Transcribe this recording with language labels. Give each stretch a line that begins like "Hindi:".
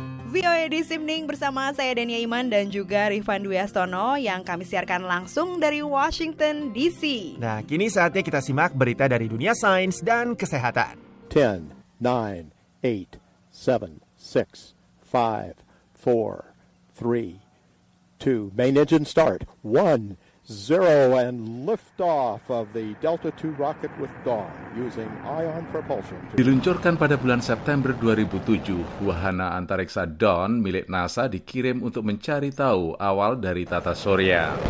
Indonesian: VOA This Evening bersama saya Dania Iman dan juga Rifan Dwi Astono yang kami siarkan langsung dari Washington DC. Nah, kini saatnya kita simak berita dari dunia sains dan kesehatan.
English: 10, 9, 8, 7, 6, 5, 4, 3, 2, main engine start, 1, 0 and lift off of the Delta II rocket with Dawn using ion propulsion.
Indonesian: Diluncurkan pada bulan September 2007, wahana antariksa Dawn milik NASA dikirim untuk mencari tahu awal dari tata surya.